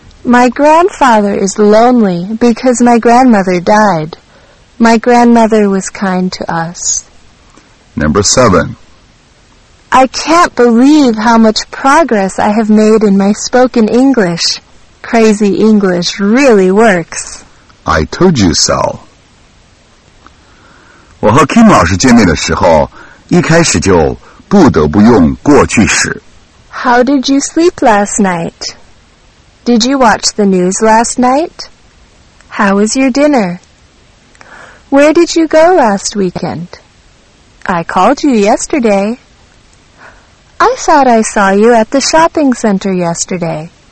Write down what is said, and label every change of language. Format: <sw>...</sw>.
<en>My grandfather is lonely because my grandmother died. My grandmother was kind to us. Number seven. I can't believe how much progress I have made in my spoken English. Crazy English really works. I told you so.</en> <zh>我和 Kim 老师见面的时候，一开始就不得不用过去式。</zh> <en>How did you sleep last night? Did you watch the news last night? How was your dinner? Where did you go last weekend? I called you yesterday. I thought I saw you at the shopping center yesterday.</en>